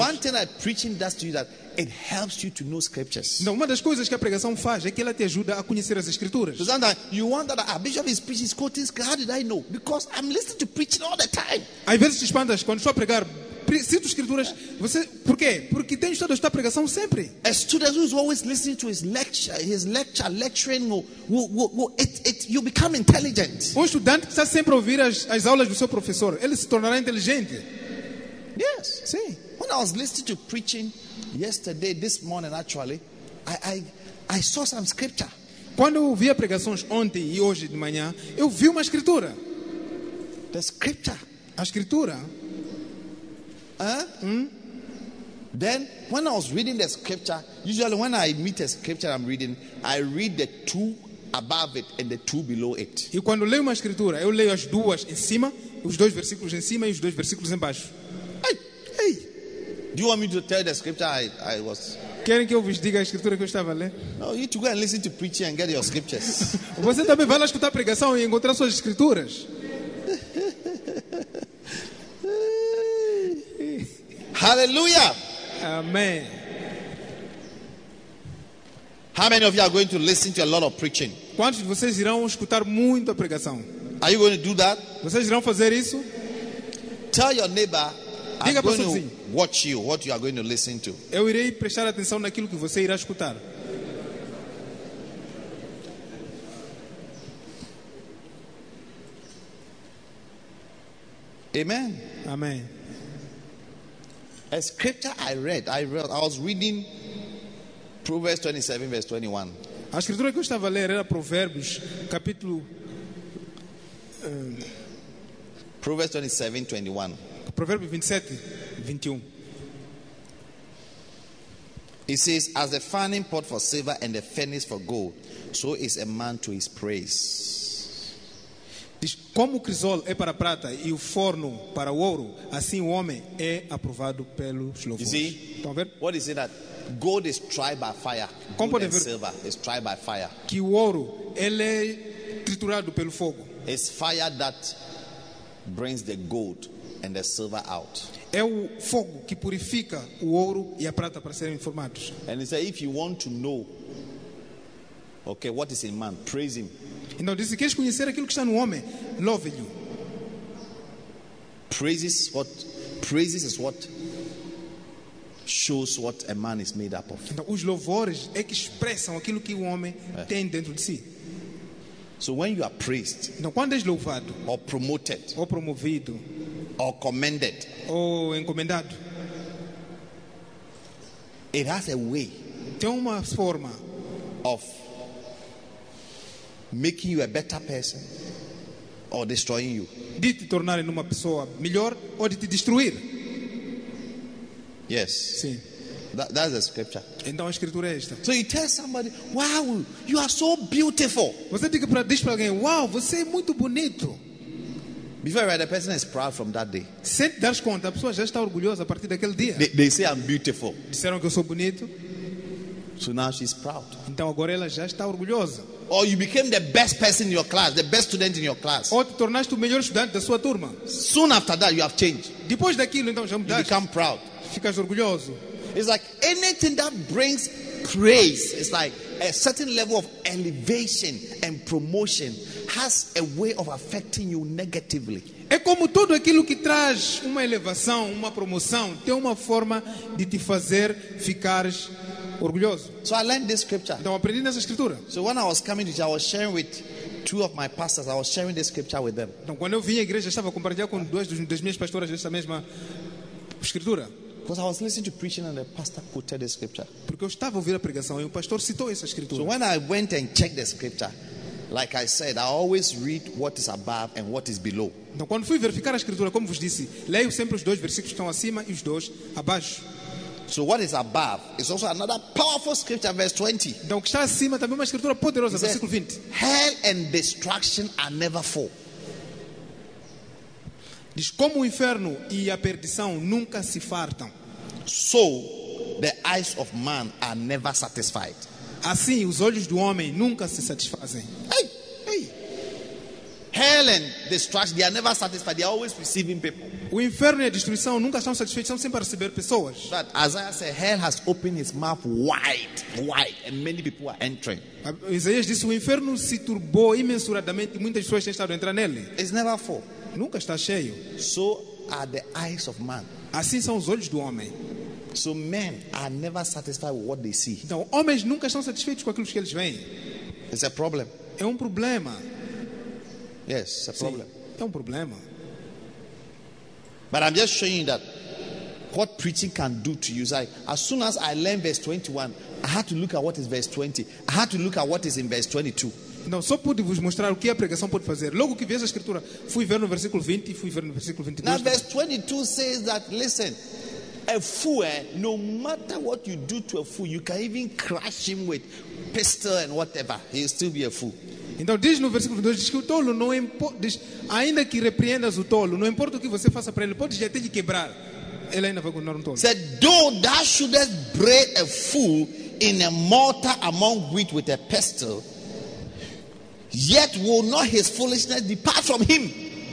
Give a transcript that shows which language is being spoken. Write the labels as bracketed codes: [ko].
[en] One thing that preaching does to you that it helps you to know scriptures. [pt] Não, uma das coisas que a pregação faz é que ela te ajuda a conhecer as escrituras. [en] Sometimes you wonder that a bishop is preaching, quoting scriptures. How did I know? Because I'm listening to preaching all the time. [pt] Às vezes te espantas quando estou a pregar. cito escrituras. Você, por quê? Porque tenho estado esta pregação sempre. [en] A student who is always listening to his lecturing, you become intelligent. [pt] Um estudante que está sempre a ouvir as aulas do seu professor, ele se tornará inteligente. [en] Yes. [pt] Sim. [en] When I was listening to preaching yesterday, this morning actually, I saw some scripture. [pt] Quando eu ouvi a pregação ontem e hoje de manhã, eu vi uma escritura. [en] The scripture. [pt] A escritura. [en] Then, when I was reading the scripture, usually when I meet a scripture I'm reading, I read the two above it and the two below it. [pt] E quando leio uma escritura, eu leio as duas em cima, os dois versículos em cima e os dois versículos embaixo. [en] Hey! Do you want me to tell the scripture I was... [pt] Querem que eu vos diga a escritura que eu estava a ler? [en] No, you need to go and listen to preaching and get your scriptures. [pt] Você também vai lá escutar a pregação e encontrar suas escrituras. Hallelujah. Amen. [en] How many of you are going to listen to a lot of preaching? [pt] Quantos de vocês irão escutar muito a pregação? [en] Are you going to do that? [pt] Vocês irão fazer isso? [en] Tell your neighbor, [pt] diga [en] I'm going to watch you, what you are going to listen to. [pt] Eu irei prestar atenção naquilo que você irá escutar. Amen. Amen. [en] A scripture I was reading Proverbs 27, verse 21. [pt] A escritura que eu estava a ler era Provérbios, capítulo. [en] Proverbs 27, 21. [pt] Provérbios 27, 21. [en] It says, as the fanning pot for silver and the furnace for gold, so is a man to his praise. [pt] Diz, como o crisol é para a prata e o forno para o ouro, assim o homem é aprovado pelos louvores. Estão a ver? [en] What is it that gold is tried by fire? [pt] Como [en] gold and silver is tried by fire. [pt] Que o ouro ele é triturado pelo fogo. [en] It's fire that brings the gold and the silver out. [pt] É o fogo que purifica o ouro e a prata para serem formados. [en] And he said, if you want to know, okay, what is in man, praise him. [pt] Então disse, queres conhecer aquilo que está no homem, louve-lhe. [en] Praises is what shows what a man is made up of. [pt] Então os louvores é que expressam aquilo que o homem tem dentro de si. [en] So when you are praised, [pt] então, quando és louvado, [en] or promoted, [pt] ou promovido, [en] or commended, [pt] ou encomendado, [en] it has a way, [pt] tem uma forma, [en] of making you a better person or destroying you. [pt] De te tornar numa pessoa melhor ou de te destruir. [en] Yes. [pt] Sim. [en] That's a scripture. [pt] Então a escritura é esta. [en] So you tell somebody, wow, you are so beautiful. [pt] Você diz para alguém, wow, você é muito bonito. [en] Before I read, the person is proud from that day. [pt] Sem te dares conta, a pessoa já está orgulhosa a partir daquele dia. [en] They say I'm beautiful. [pt] Disseram que eu sou bonito. [en] So now she's proud. [pt] Então agora ela já está orgulhosa. [en] Or you became the best person in your class, the best student in your class. [pt] Ou te tornaste o melhor estudante da sua turma. [en] Soon after that, you have changed. [pt] Depois daquilo, então já mudaste. [en] You become proud. [pt] Ficas orgulhoso. [en] It's like anything that brings praise, it's like a certain level of elevation and promotion has a way of affecting you negatively. [pt] É como tudo aquilo que traz uma elevação, uma promoção, tem uma forma de te fazer ficar orgulhoso. [en] So I learned this scripture. [pt] Então aprendi nessa escritura. [en] So when I was coming to church, I was sharing with two of my pastors. I was sharing this scripture with them. [pt] Então quando eu vim à igreja, estava a compartilhar com duas das minhas pastoras essa mesma escritura. [en] Because I was listening to preaching and the pastor quoted the scripture. [pt] Porque eu estava a ouvir a pregação e o pastor citou essa escritura. [en] So when I went and checked the scripture, like I said, I always read what is above and what is below. [pt] Então quando fui verificar a escritura, como vos disse, leio sempre os dois versículos que estão acima e os dois abaixo. [en] So what is above is also another powerful scripture, verse 20. [pt] Então o que está acima também é uma escritura poderosa, versículo 20. [en] Hell and destruction are never full. [pt] Diz, como o inferno e a perdição nunca se fartam. [en] So the eyes of man are never satisfied. [pt] Assim os olhos do homem nunca se satisfazem. [en] Hey, hey. Hell and destruction, they are never satisfied. They are always receiving people. [pt] O inferno e a destruição nunca estão satisfeitos, estão sempre a receber pessoas. [en] But Isaiah said, hell has opened its mouth wide, wide, and many people are entering. [pt] Isaías disse, o inferno se turbou imensuradamente, muitas pessoas têm estado a entrar nele. [en] It's never full. [pt] Nunca está cheio. [en] So are the eyes of man. [pt] Assim são os olhos do homem. [en] So men are never satisfied with what they see. [pt] Então, homens nunca estão satisfeitos com aquilo que eles veem. [en] It's a problem. [pt] É um problema. [en] Yes, it's a problem. [pt] É um problema. [en] But I'm just showing you that what preaching can do to you. So as soon as I learn verse 21, I had to look at what is verse 20. I had to look at what is in verse 22. [pt] Não, só pude vos mostrar o que a pregação pode fazer. Logo que vi essa escritura, fui ver no versículo 20 e fui ver no versículo 22. [en] Now verse 22 says that, listen, a fool, no matter what you do to a fool, you can even crush him with pistol and whatever, he'll still be a fool. [pt] Então diz no versículo 2, diz que o tolo não importa, ainda que repreendas o tolo, não importa o que você faça para ele, pode já até lhe quebrar. Ele ainda vai continuar um tolo. [en] Said, though thou shouldest break a fool in a mortar among wheat with a pestle, yet will not his foolishness depart from him.